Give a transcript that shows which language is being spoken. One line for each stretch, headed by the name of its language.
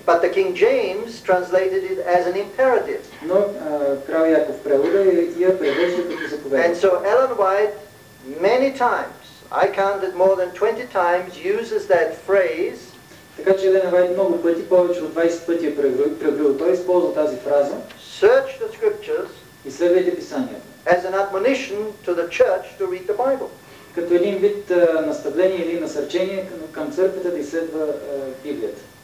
English: But the King James translated it as an imperative.
Bulgarian: Но крал Яков превода я превежда като заповедна.
English: And so Ellen White many times, I counted more than 20 times, uses that phrase.
Bulgarian: Така че Елена Вайт много пъти, повече от 20 пъти е преврил. Той използва тази фраза.
English: Search the scriptures.
Bulgarian: Изследвайте писанията.
English: As an admonition to the church to read the Bible.
Bulgarian: Като един вид наставление или насърчение към църквата да изследва Библията.